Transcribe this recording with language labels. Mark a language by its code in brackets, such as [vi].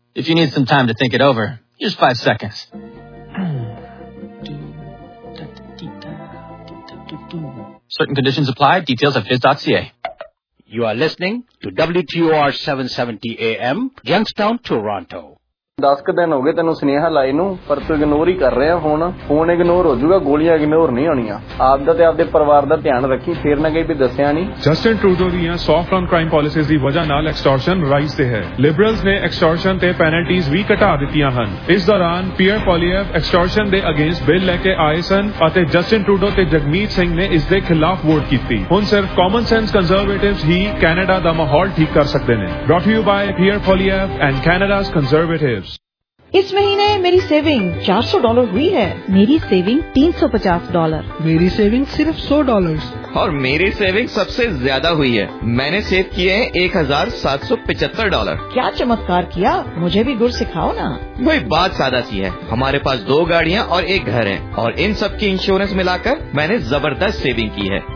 [en] If you need some time to think it over, here's 5 seconds. Certain conditions apply. Details at fizz.ca. You are listening to WTOR 770 AM, Youngstown, Toronto. [pa] ਦਸ ਕੁ ਦਿਨ ਹੋ ਗਏ ਤੈਨੂੰ ਸੁਨੇਹਾ ਲਾਏ ਨੂੰ, ਪਰ ਤੂੰ ਇਗਨੋਰ ਹੀ ਕਰ ਰਿਹਾ। ਹੁਣ ਫੋਨ ਇਗਨੋਰ ਹੋ ਜੂਗਾ, ਗੋਲੀਆਂ ਇਗਨੋਰ ਨਹੀਂ ਆਉਣੀਆਂ। ਆਪਦਾ ਤੇ ਆਪਦੇ ਪਰਿਵਾਰ ਦਾ ਧਿਆਨ ਰੱਖੀ, ਫੇਰ ਨਾ ਕਹੀ ਵੀ ਦੱਸਿਆ ਨੀ। ਜਸਟਿਨ ਟਰੂਡੋ ਦੀਆਂ ਸੌਫਟ ਔਨ ਕ੍ਰਾਈਮ ਪਾਲਿਸੀਜ਼ ਦੀ ਵਜ੍ਹਾ ਨਾਲ ਐਕਸਟੋਰਸ਼ਨ ਰਾਈਜ਼ ਤੇ ਹੈ। ਲਿਬਰਲਸ ਨੇ ਐਕਸਟੋਰਸ਼ਨ ਤੇ ਪੈਨਲਟੀਜ਼ ਵੀ ਘਟਾ ਦਿੱਤੀਆਂ ਹਨ। ਇਸ ਦੌਰਾਨ ਪੀਅਰ ਪੋਲੀਐਫ ਐਕਸਟੋਰਸ਼ਨ ਦੇ ਅਗੇਂਸਟ ਬਿੱਲ ਲੈ ਕੇ ਆਏ ਸਨ ਅਤੇ ਜਸਟਿਨ ਟਰੂਡੋ ਤੇ ਜਗਮੀਤ ਸਿੰਘ ਨੇ ਇਸ ਦੇ ਖਿਲਾਫ ਵੋਟ ਕੀਤੀ। ਹੁਣ ਸਿਰਫ ਕਾਮਨ ਸੈਂਸ ਕੰਜ਼ਰਵੇਟਿਵ ਹੀ ਕੈਨੇਡਾ ਦਾ ਮਾਹੌਲ ਠੀਕ ਕਰ ਸਕਦੇ ਨੇ। [en] Brought you by Pierre Poilievre and Canada's Conservatives. [hi] इस महीने मेरी सेविंग $400 हुई है। मेरी सेविंग $350। मेरी सेविंग सिर्फ $100। और मेरी सेविंग सबसे ज्यादा हुई है, मैंने सेव किए हैं $1,775। क्या चमत्कार किया, मुझे भी गुर सिखाओ ना। कोई बात सादा सी है, हमारे पास दो गाड़ियाँ और एक घर है, और इन सब की इंश्योरेंस मिलाकर मैंने जबरदस्त सेविंग की है।